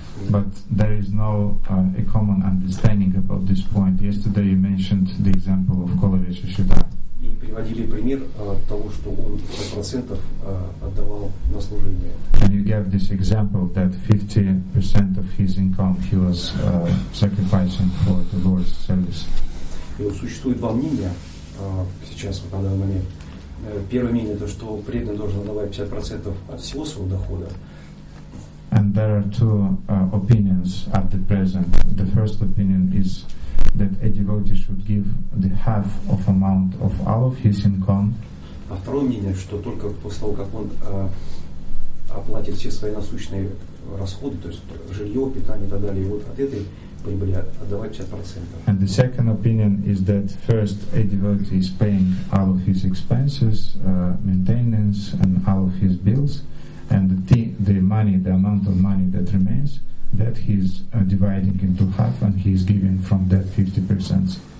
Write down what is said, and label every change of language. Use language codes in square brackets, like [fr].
[en] But there is no a common understanding about this point. Yesterday you mentioned the example of Kala Vishuddha. [ru] И приводили пример того, что он 50% отдавал на служение. [en] And you gave this example that 50% of his income he was sacrificing for the Lord's service. [ru] И вот существует два мнения сейчас в данный момент. Первое мнение то, что преданный должен отдавать 50% от всего своего дохода. [en] And there are two opinions at the present. The first opinion is that a devotee should give the half of amount of all of his income. [ru] А второе мнение, что только после того, как он оплатит все свои насущные расходы, то есть жилье, питание и так далее, вот от этой прибыли отдавать 50%. [en] And the second opinion is that first a devotee is paying all of his expenses, maintenance and all of his bills, and the money, the amount of money that remains, that he is dividing into half and he is giving from that 50%.